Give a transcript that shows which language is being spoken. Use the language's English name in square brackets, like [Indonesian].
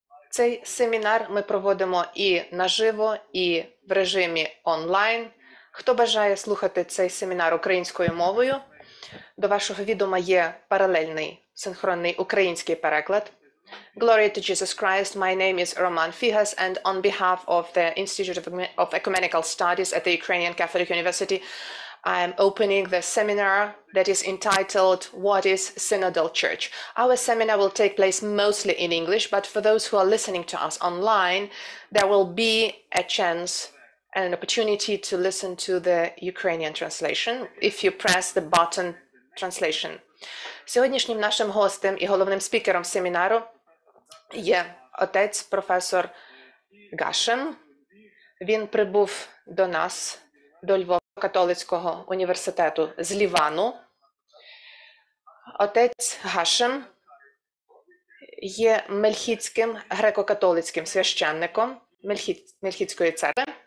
[Ukrainian] Цей семінар ми проводимо і наживо, і в режимі онлайн. Хто бажає слухати цей семінар українською мовою, до вашого відома є паралельний синхронний український переклад. [English] Glory to Jesus Christ, my name is Roman Fihas, and on behalf of the Institute of Ecumenical Studies at the Ukrainian Catholic University, I am opening the seminar that is entitled What is Synodal Church? Our seminar will take place mostly in English, but for those who are listening to us online, there will be a chance and an opportunity to listen to the Ukrainian translation if you press the button translation. [Ukrainian] Сьогоднішнім нашим гостем і головним спікером семінару є отець професор Гашем. Він прибув до нас, до Львово-католицького університету з Лівану. Отець Гашем є мельхітським греко-католицьким священником мельхітської церкви.